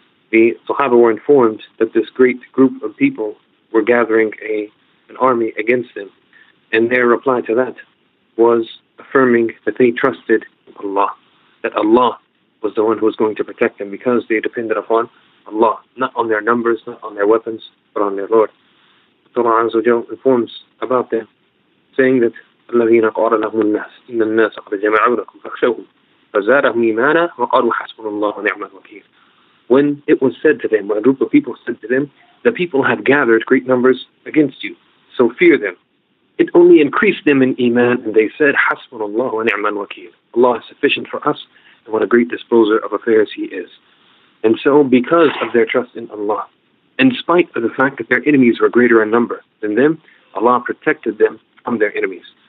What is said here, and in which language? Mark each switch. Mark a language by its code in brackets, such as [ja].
[en] The Sahaba were informed that this great group of people were gathering an army against them. And their reply to that was affirming that they trusted Allah, that Allah was the one who was going to protect them, because they depended upon Allah, not on their numbers, not on their weapons, but on their Lord. Allah Azza wa Jalla informs about them, saying that [ar] الذين قال لهم الناس إن الناس قد جمعوا لكم فاخشوهم فزادهم إيمانا وقالوا حسبنا الله ونعم الوكيل. [en] When it was said to them, when a group of people said to them, the people have gathered great numbers against you, so fear them, it only increased them in Iman, and they said, [ar] حسبنا الله ونعم الوكيل. [en] Allah is sufficient for us, and what a great disposer of affairs He is. And so, because of their trust in Allah, in spite of the fact that their enemies were greater in number than them, Allah protected them from their enemies.